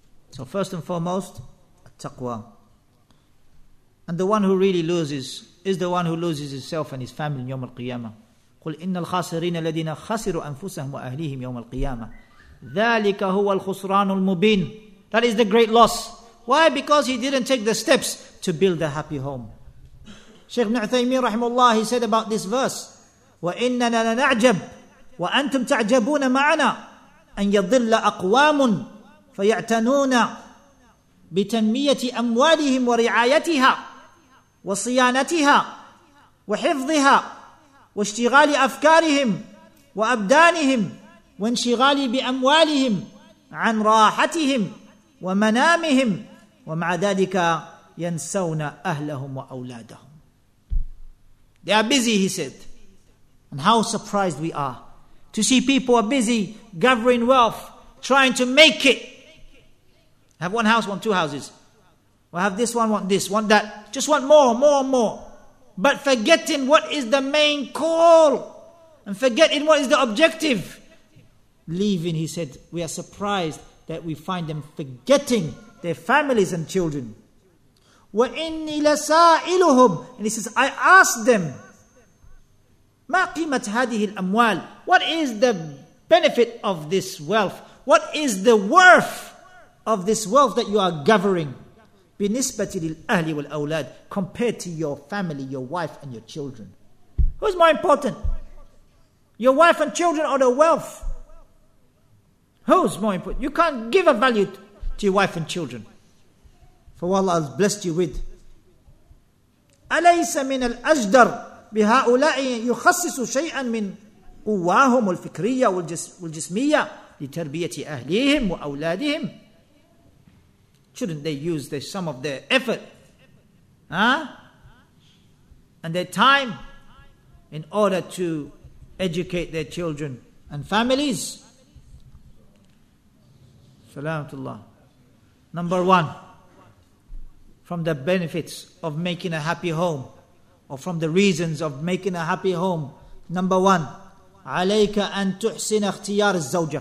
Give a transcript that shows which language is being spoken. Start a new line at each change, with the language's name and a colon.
English: So first and foremost, taqwa. And the one who really loses is the one who loses himself and his family in Yawm al-Qiyamah.
Arabic: قُلْ إِنَّ الْخَاسِرِينَ الَّذِينَ خَسِرُوا أَنفُسَهُمْ وَأَهْلِهِمْ يَوْمَ الْقِيَامَةِ ذَلِكَ هُوَ الْخُسْرَانُ الْمُبِينَ.
English: That is the great loss. Why? Because he didn't take the steps to build a happy home. Shaykh ibn Uthaymeen rahimahullah, he said about this verse,
Arabic: وَإِنَّنَا لَنَعْجَبْ وَأَنْتُمْ تَعْجَبُونَ مَعَنَا أَنْ يَضِلَّ أَقْوَامٌ فَيَعْتَنُونَ بِتَنْمِيَةِ أَمْوَالِهِمْ وَرِعَايَتِهَا وَصِيَانَتِهَا وَحِفْظِهَا وَاشْتِغَالِ أَفْكَارِهِمْ وأبدانهم وانشغالي بأموالهم عن راحتهم ومنامهم ومع ذلك ينسون أهلهم وأولادهم.
English: They are busy, he said. And how surprised we are to see people are busy gathering wealth, trying to make it. Have one house, want two houses. Or have this, want that. Just want more, more, more. But forgetting what is the main call. And forgetting what is the objective. Leaving, he said, we are surprised that we find them forgetting their families and children.
Arabic: وَإِنِّي لَسَائِلُهُمْ
English: And he says, I asked them,
Arabic: مَا قِيمَةْ هَذِهِ الْأَمْوَالِ
English: What is the benefit of this wealth? What is the worth of this wealth that you are gathering?
Arabic: بِنِسْبَةِ لِلْأَهْلِ وَالْأَوْلَادِ
English: Compared to your family, your wife and your children. Who's more important? Your wife and children or the wealth? Who's more important? You can't give a value to your wife and children. For what Allah has blessed you with.
Arabic: أَلَيْسَ مِنَ الْأَجْدَرِ بِهَؤُلَاءِ يُخَصِّصُ شَيْئًا مِنْ قُوَّاهُمُ الْفِكْرِيَّةِ وَالْجِسْمِيَّةِ لِتَرْبِيَةِ أَهْلِهِمْ وَأَوْلَادِهِمْ
English: Shouldn't they use their, some of their effort? Huh? And their time in order to educate their children and families? Salamatullah. Number one, from the benefits of making a happy home, or from the reasons of making a happy home, number one,
Arabic: عليك أن تحسن اختيار الزوجة.